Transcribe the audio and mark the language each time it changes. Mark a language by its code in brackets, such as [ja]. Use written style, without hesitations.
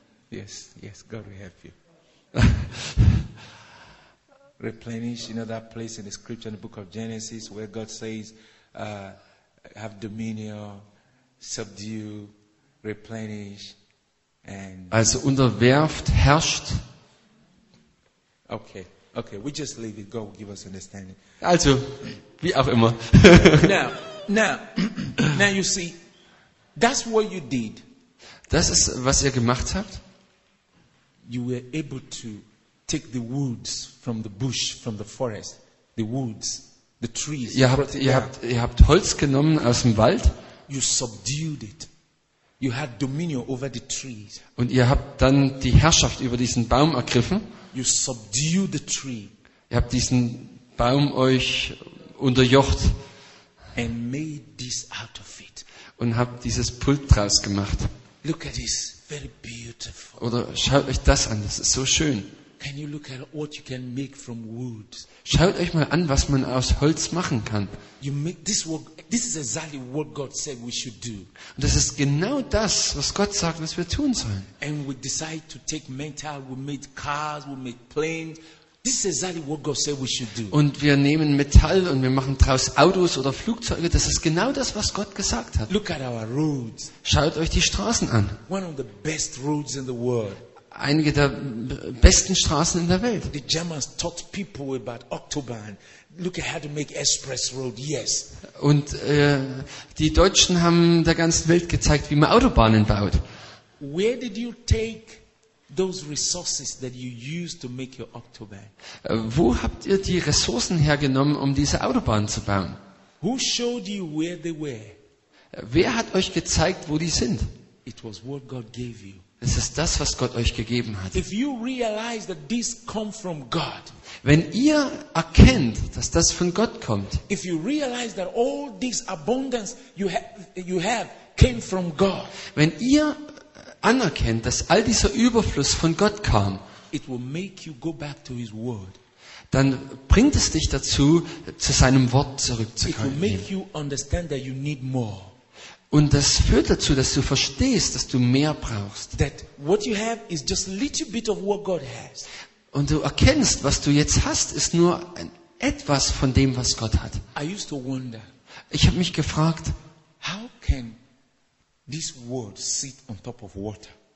[en] Yes, yes, God will help you. Replenish, you know that place in the scripture, in the book of Genesis, where God says, have dominion. Subdue, replenish, and [de] also unterwerft, herrscht. [en] Okay, we just leave it. God will give us understanding. [de] Also, wie auch immer. [en] Now you see, that's what you did. [de] Das ist, was ihr gemacht habt. [en] You were able to take the woods from the bush, from the forest, the woods, the trees. [de] Ihr habt Holz genommen aus dem Wald. [en] You subdued it. You had dominion over the trees. [de] Und ihr habt dann die Herrschaft über diesen Baum ergriffen. [en] You subdued the tree. [de] Ihr habt diesen Baum euch unterjocht. [en] And made this out of it. [de] Und habt dieses Pult draus gemacht. [en] Look at this, very beautiful. [de] Oder schaut euch das an, das ist so schön. [en] Can you look at what you can make from wood? [de] Schaut euch mal an, was man aus Holz machen kann. [en] You make this work. This is exactly what God said we should do. [de] Und das ist genau das, was Gott sagt, was wir tun sollen. [en] And we decide to take metal. We made cars. We made planes. This is exactly what God said we should do. [de] Und wir nehmen Metall und wir machen daraus Autos oder Flugzeuge. Das ist genau das, was Gott gesagt hat. [en] Look at our roads. [de] Schaut euch die Straßen an. [en] One of the best roads in the world. [de] Einige der besten Straßen in der Welt. [en] The Germans taught people about Autobahn. Look at how to make express road. Yes. [de] Und die Deutschen haben der ganzen Welt gezeigt, wie man Autobahnen baut. [en] Where did you take those resources that you used to make your Autobahn? [de] Wo habt ihr die Ressourcen hergenommen, um diese Autobahn zu bauen? [en] Who showed you where they were? [de] Wer hat euch gezeigt, wo die sind? [en] It was what God gave you. [de] Es ist das, was Gott euch gegeben hat. [en] If you realize that this come from God, [de] wenn ihr erkennt, dass das von Gott kommt, [en] if you realize that all this abundance you have came from God, [de] wenn ihr anerkennt, dass all dieser Überfluss von Gott kam, [en] it will make you go back to his word. [de] Dann bringt es dich dazu, zu seinem Wort zurückzukommen. [en] It will make you understand that you need more. [de] Und das führt dazu, dass du verstehst, dass du mehr brauchst. [en] That what you have is just a little bit of what God has. [de] Und du erkennst, was du jetzt hast, ist nur etwas von dem, was Gott hat. [en] I used to wonder, [de] ich habe mich gefragt, [en] how can this world sit on top of water?